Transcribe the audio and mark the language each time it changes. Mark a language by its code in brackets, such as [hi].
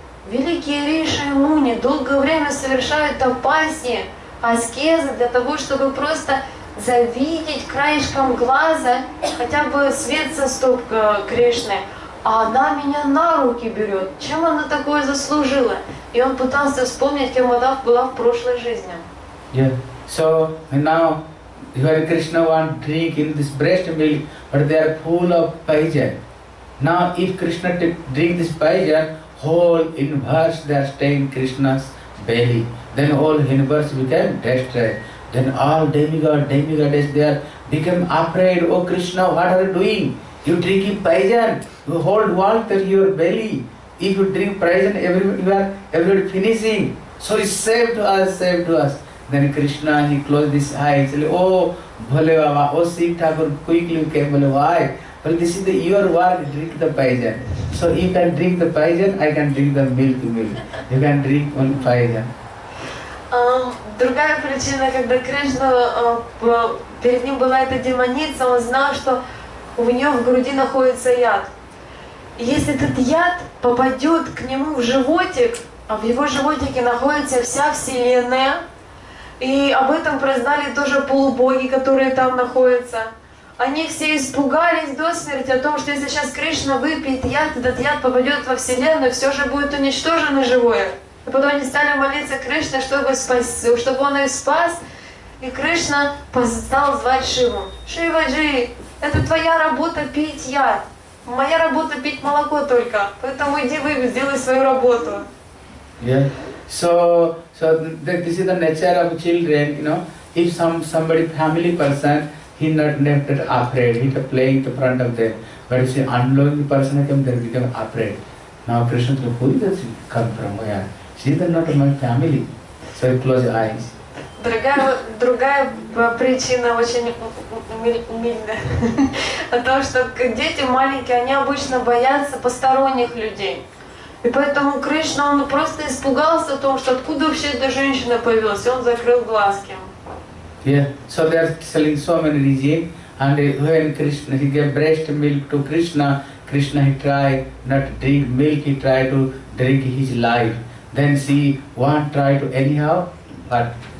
[ru] Великие риши и муни долгое время совершают тапасии, аскезы для того, чтобы просто завидеть краешком глаза хотя бы свет со стоп Кришны. А она меня на руки берет. Чем она такое заслужила? И он пытался вспомнить, кем она была в прошлой жизни. [en] Yeah. So now Hare Krishna want drink in this breast milk, but they are full of poison. Now if Krishna drink this poison, whole universe they are staying in Krishna's belly. Then all universe become destroyed. Then all demigoddess they are become afraid. Oh Krishna, what are you doing? You drinking poison? You hold water in your belly. If you drink poison, everybody finishing. So it's saved us. Then Krishna, he closed his eyes and said, Oh, Bhole Baba, oh Sri Thakur, quickly you came, why? But this is the your work, drink the paijan. So you can drink the paijan, I can drink the milk. You can drink one paijan. [ru] Другая причина, когда Кришна перед ним была эта демоница, он знал, что у нее в груди находится яд. И если этот яд попадет к нему в животик, а в его животике находится вся Вселенная, и об этом прознали тоже полубоги, которые там находятся. Они все испугались до смерти о том, что если сейчас Кришна выпьет яд, этот яд попадет во Вселенную, все же будет уничтожено живое. И потом они стали молиться Кришне, чтобы спасти, чтобы он их спас, и Кришна стал звать Шиву. Шива Джи, это твоя работа пить яд. Моя работа пить молоко только. Поэтому иди выпей, сделай свою работу. [en] So this is the nature of children, you know. If somebody family person, he not left it afraid, he's playing in front of them. But if an unknown person came, they become afraid. Now Krishna said, who is this? Come from where? She's not my family. So he closed his eyes. [ru] Другая причина очень умильная. О том, что дети маленькие, они обычно боятся посторонних людей. И поэтому Кришна, он просто испугался о том, что откуда вообще эта женщина появилась, и он закрыл глазки. [en] Yeah, so they are selling so many regime, and when Krishna, he gave breast milk to Krishna, Krishna he tried not drink milk, he tried to drink his life. Then see, one tried to anyhow, but...